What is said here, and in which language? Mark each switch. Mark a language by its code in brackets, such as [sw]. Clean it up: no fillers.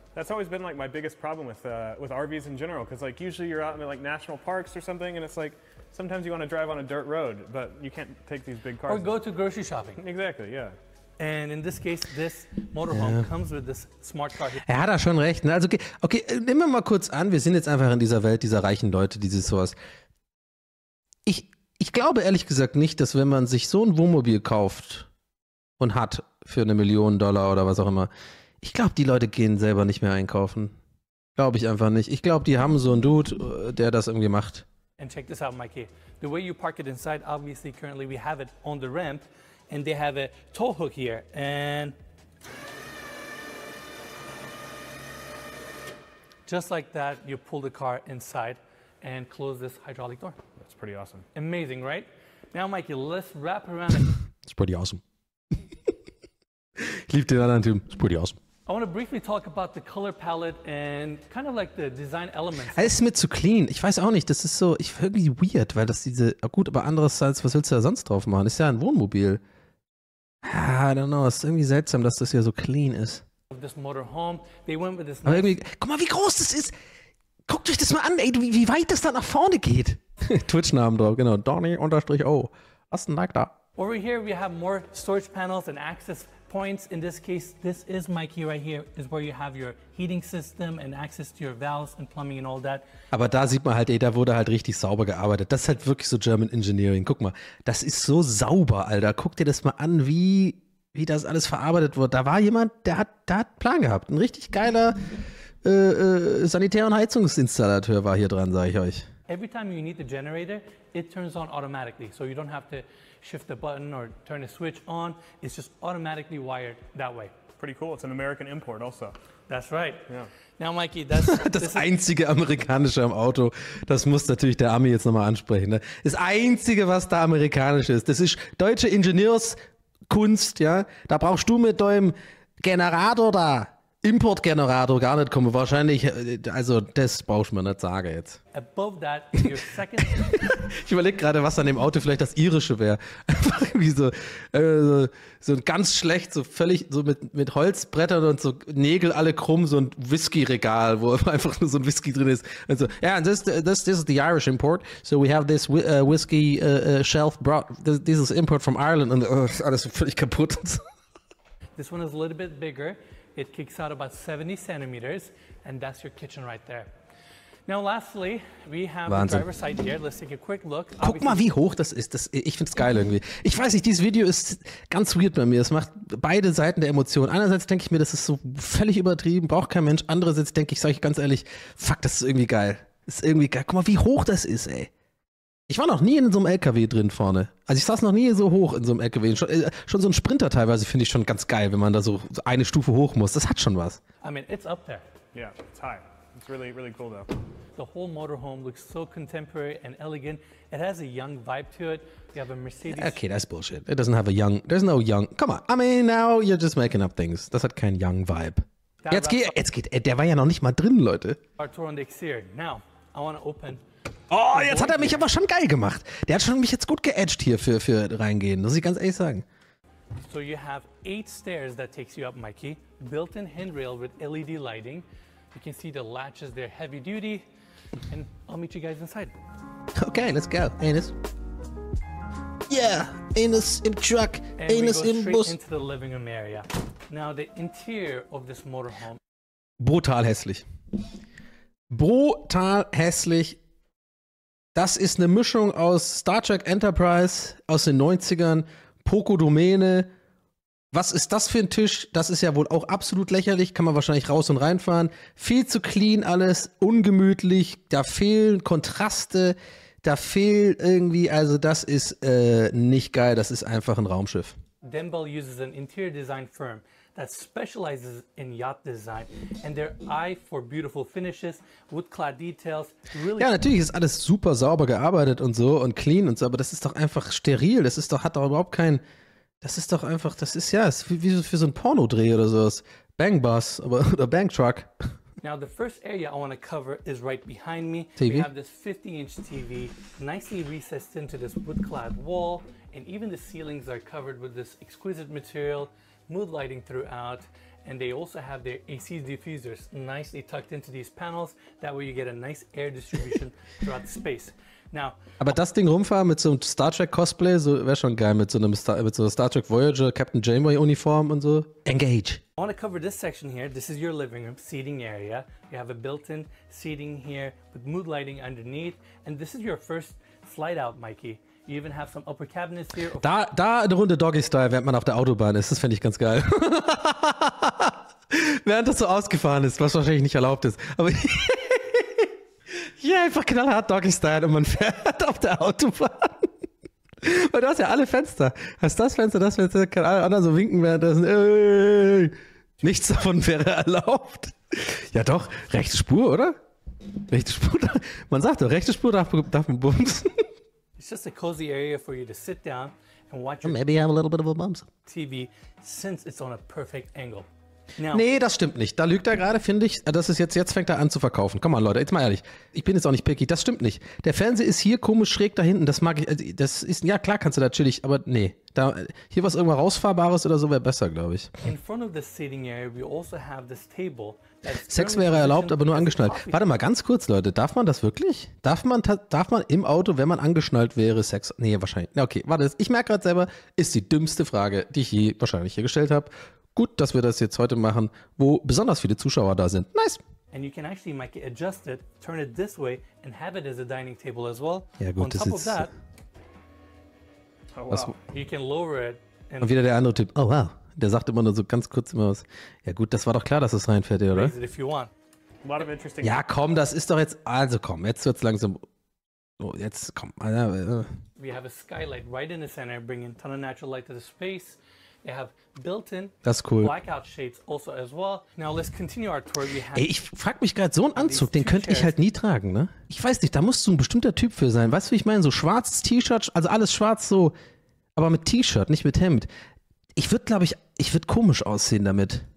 [en] That's always been like my biggest problem with RVs in general, because like usually you're out in like national parks or something, and it's like sometimes you want to drive on a dirt road, but you can't take these big cars. Or go to grocery shopping. Exactly, yeah. And in this case, this motorhome comes with this smart car. [de] Er hat da schon recht. Also okay, nehmen wir mal kurz an, wir sind jetzt einfach in dieser Welt dieser reichen Leute, dieses sowas. Ich glaube ehrlich gesagt nicht, dass wenn man sich so ein Wohnmobil kauft und hat für eine Million Dollar oder was auch immer. Ich glaube, die Leute gehen selber nicht mehr einkaufen. Glaube ich einfach nicht. Ich glaube, die haben so einen Dude, der das irgendwie macht. [en] And check this out, Mikey. The way you park it inside, obviously, currently we have it on the ramp. And they have a tow hook here. And just like that, you pull the car inside and close this hydraulic door. That's pretty awesome. Amazing, right? Now, Mikey, let's wrap around it. It's pretty awesome. [de] Ich liebe den anderen Typen. Ist [en] pretty awesome. I want to briefly talk about the color palette and kind of like the design elements. [de] Es ist mir zu clean. Ich weiß auch nicht. Das ist so, ich finde irgendwie weird, weil das diese, gut, aber andererseits, was willst du da sonst drauf machen? Ist ja ein Wohnmobil. [en] I don't know. [de] Es ist irgendwie seltsam, dass das hier so clean ist. [en] Of this motorhome. They went with this [de] aber irgendwie, guck mal, wie groß das ist. Guckt euch das mal an, ey, wie weit das da nach vorne geht. Twitch-Namen drauf, genau. Donny_O. Was ein Like da. [en] Over here we have more storage panels and access points. In this case, this is Mikey right here, is where you have your heating system and access to your valves and plumbing and all that. [de] Aber da sieht man halt, ey, da wurde halt richtig sauber gearbeitet. Das ist halt wirklich so German Engineering. Guck mal, das ist so sauber, Alter. Guck dir das mal an, wie das alles verarbeitet wurde. Da war jemand, der hat Plan gehabt. Ein richtig geiler Sanitär- und Heizungsinstallateur war hier dran, sage ich euch. [en] Every time you need the generator, it turns on automatically. So you don't have to shift the button or turn the switch on. It's just automatically wired that way. Pretty cool. It's an American import also. That's right. Yeah. Now, Mikey, that's... [de] das einzige amerikanische am Auto, das muss natürlich der Ami jetzt nochmal ansprechen. Ne? Das einzige, was da amerikanisch ist, das ist deutsche Ingenieurskunst, ja? Da brauchst du mit deinem Generator da. Importgenerator gar nicht kommen, wahrscheinlich, also das brauchst du mir nicht sagen jetzt. [en] Above that, your second... [de] ich überlege gerade, was an dem Auto vielleicht das Irische wäre. Einfach irgendwie so, so ganz schlecht, so völlig, so mit Holzbrettern und so Nägel alle krumm, so ein Whisky-Regal, wo einfach nur so ein Whisky drin ist. [en] Also, yeah, and this is the Irish import. So we have this whisky shelf brought, this is import from Ireland [de] und alles völlig kaputt. [en] This one is a little bit bigger. It kicks out about 70 centimeters, and that's your kitchen right there. Now, lastly, we have [de] Wahnsinn. [en] The driver's side here. Let's take a quick look. [de] Guck obviously, mal, wie hoch das ist. Ich find's geil irgendwie. Ich weiß nicht, dieses Video ist ganz weird bei mir. Es macht beide Seiten der Emotion. Einerseits denke ich mir, das ist so völlig übertrieben, braucht kein Mensch. Andererseits denke ich, sag ich ganz ehrlich, fuck, das ist irgendwie geil. Das ist irgendwie geil. Guck mal, wie hoch das ist, ey. Ich war noch nie in so einem LKW drin vorne. Also ich saß noch nie so hoch in so einem LKW. Schon so ein Sprinter teilweise finde ich schon ganz geil, wenn man da so eine Stufe hoch muss. Das hat schon was. [en] I mean, it's up there. Yeah, it's high. It's really, really cool though. The whole motorhome looks so contemporary and elegant. It has a young vibe to it. You have a Mercedes. Okay, that's bullshit. It doesn't have a young, there's no young. Come on, I mean, now you're just making up things. [de] Das hat keinen [en] young vibe. [de] Jetzt geht, der war ja noch nicht mal drin, Leute. [en] Arturo und Xir, now, I want to open. [de] Oh, jetzt hat er mich aber schon geil gemacht. Der hat schon mich jetzt gut geedged hier für reingehen, muss ich ganz ehrlich sagen. [en] So you have 8 stairs that takes you up, Mikey. Built-in handrail with LED lighting. You can see the latches, they're heavy duty. And I'll meet you guys inside. Okay, let's go. Anus. Yeah, anus [de] im Truck, [en] and [de] anus im Bus. [en] And we go into the living room area. Now the interior of this motorhome. [de] Brutal hässlich. Brutal hässlich. Das ist eine Mischung aus Star Trek Enterprise aus den 90ern, Poco Domäne. Was ist das für ein Tisch? Das ist ja wohl auch absolut lächerlich, kann man wahrscheinlich raus und reinfahren. Viel zu clean alles, ungemütlich, da fehlen Kontraste, da fehlt irgendwie, also das ist nicht geil, das ist einfach ein Raumschiff. [en] Denbell uses an interior design firm that specializes in yacht design and their eye for beautiful finishes, wood clad details. Really, [de] ja, natürlich ist alles super sauber gearbeitet und so und clean und so, aber das ist doch einfach steril. Das ist doch, hat doch überhaupt kein, das ist doch einfach, das ist ja, ist wie so für so ein Pornodreh oder sowas. Bang Bus aber, oder Bang Truck. [en] Now the first area I want to cover is right behind me. TV. We have this 50-inch TV nicely recessed into this wood clad wall. And even the ceilings are covered with this exquisite material, mood lighting throughout, and they also have their AC diffusers nicely tucked into these panels. That way you get a nice air distribution throughout the space. Now, [de] aber das Ding rumfahren mit so einem Star Trek Cosplay, so wäre schon geil mit so einem Star Trek Voyager, Captain Janeway Uniform und so. [en] Engage. I want to cover this section here. This is your living room seating area. You have a built-in seating here with mood lighting underneath, and this is your first slide out, Mikey. You even have some upper cabinets here. [de] Da eine Runde Doggy-Style, während man auf der Autobahn ist. Das finde ich ganz geil. Während das so ausgefahren ist, was wahrscheinlich nicht erlaubt ist. Aber hier einfach knallhart Doggy-Style und man fährt auf der Autobahn. Weil du hast ja alle Fenster. Hast das Fenster, kann alle anderen so winken währenddessen. Nichts davon wäre erlaubt. Ja doch, rechte Spur, oder? Rechte Spur, man sagt doch, rechte Spur darf man bumsen. [en] It's just a cozy area for you to sit down and watch your maybe have a little bit of a bumps. TV, since it's on a perfect angle. [de] Now, nee, das stimmt nicht. Da lügt er gerade, finde ich. Das ist jetzt fängt er an zu verkaufen. Komm mal, Leute, jetzt mal ehrlich. Ich bin jetzt auch nicht picky. Das stimmt nicht. Der Fernseher ist hier komisch schräg da hinten. Das mag ich. Das ist, ja, klar kannst du da chillig, aber nee. Da, hier was irgendwas rausfahrbares oder so wäre besser, glaube ich. [en] In front of the seating area, we also have this table. [de] Sex wäre erlaubt, aber nur angeschnallt. Warte mal, ganz kurz, Leute, darf man das wirklich? Darf man im Auto, wenn man angeschnallt wäre, Sex? Nee, wahrscheinlich. Na okay, warte, ich merke gerade selber, ist die dümmste Frage, die ich je wahrscheinlich hier gestellt habe. Gut, dass wir das jetzt heute machen, wo besonders viele Zuschauer da sind. [en] Nice! And you can actually, Mikey, adjust it, turn it this way and have it as a dining table as well. [de] Ja gut, [en] on [de] das [en] top [de] ist [en] of that, [de] was, [en] you can lower it. [de] Und wieder der andere Typ, oh wow. Der sagt immer nur so ganz kurz immer was. Ja gut, das war doch klar, dass es reinfährt, oder? [en] A lot of interesting. [de] Ja, komm, das ist doch jetzt. Also komm, jetzt wird's langsam. Oh, jetzt komm. [en] We have a skylight right in the center, bringing a ton of natural light to the space. We have built-in blackout shades also as well. Now let's continue our tour. [de] Ey, ich frag mich gerade, so einen Anzug, den könnte ich halt nie tragen, ne? Ich weiß nicht, da musst du ein bestimmter Typ für sein. Weißt du, wie ich meine? So schwarzes T-Shirt, also alles schwarz so, aber mit T-Shirt, nicht mit Hemd. Ich würde, glaube ich, ich würde komisch aussehen damit.